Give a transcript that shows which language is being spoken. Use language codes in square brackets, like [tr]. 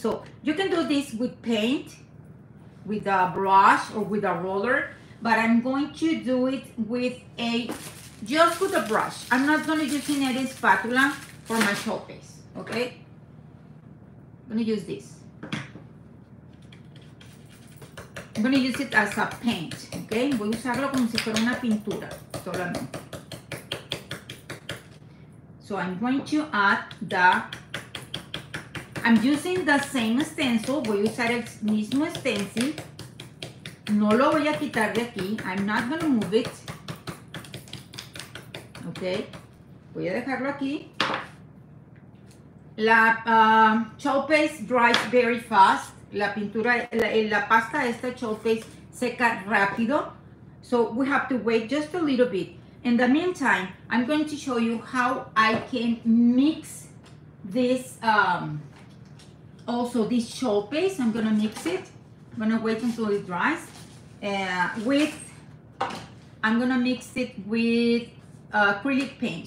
[en] So you can do this with paint, with a brush or with a roller, but I'm going to do it with a brush. I'm not gonna use any spatula for my chalk paste, okay? I'm gonna use this. I'm going to use it as a paint, okay? [es] Voy a usarlo como si fuera una pintura solamente. [en] So I'm going to add the, I'm using the same stencil, [es] voy a usar el mismo stencil. No lo voy a quitar de aquí, [en] I'm not going to move it. Okay, [es] voy a dejarlo aquí. [en] La show paste dries very fast. [es] La pintura, la pasta de esta show paste seca rápido. [en] So we have to wait just a little bit. In the meantime, I'm going to show you how I can mix this, also this show paste. I'm going to mix it. I'm going to wait until it dries. I'm going to mix it with acrylic paint.